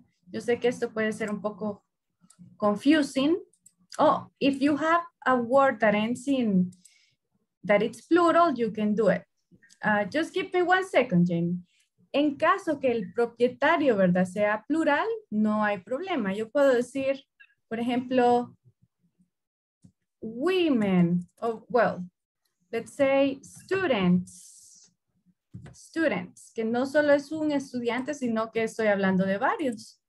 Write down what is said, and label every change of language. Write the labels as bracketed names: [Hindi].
[Spanish] Yo sé que esto puede ser un poco confusing. [English] Oh, if you have a word that ends in, that it's plural, you can do it. Just give me one second, Jamie. [Spanish] En caso que el propietario, ¿verdad?, sea plural, no hay problema. Yo puedo decir, por ejemplo, women, [English] or, well, let's say students. [Spanish] Students, que no solo es un estudiante, sino que estoy hablando de varios.